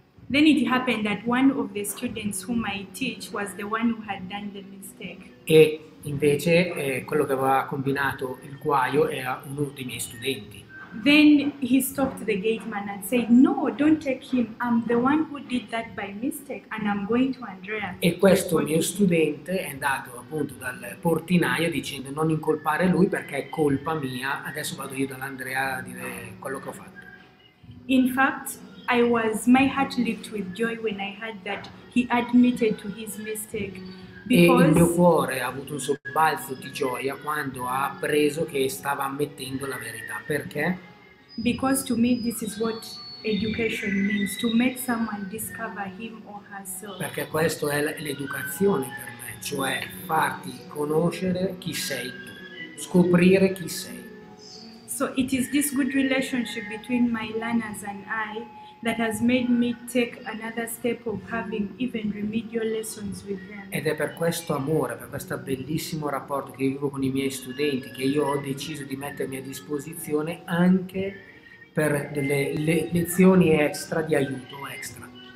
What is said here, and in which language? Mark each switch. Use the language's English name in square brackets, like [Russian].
[English] Then it happened that one of the students whom I teach was the one who had done the mistake. [Italian] E invece quello che aveva combinato il guaio era uno dei miei studenti. [English] Then he stopped the gate man and said, "No, don't take him. I'm the one who did that by mistake and I'm going to Andrea." [Italian] E questo mio studente è andato appunto dal portinaio dicendo, "Non incolpare lui perché è colpa mia. Adesso vado io dall'Andrea a dire quello che ho fatto." [English] In fact, my heart leaped with joy when I heard that he admitted to his mistake. [Italian] E il mio cuore ha avuto un sobbalzo di gioia quando ha appreso che stava ammettendo la verità. Perché? [English] Because to me this is what education means, to make someone discover him or herself. [Italian] Perché questo è l'educazione per me, cioè farti conoscere chi sei tu, scoprire chi sei. [English] So it is this good relationship between my learners and I that has made me take another step of having even remedial lessons with them. [Italian] Ed è per questo amore, per questo bellissimo rapporto che io vivo con i miei studenti, che io ho deciso di mettermi a disposizione anche per delle lezioni extra di aiuto extra.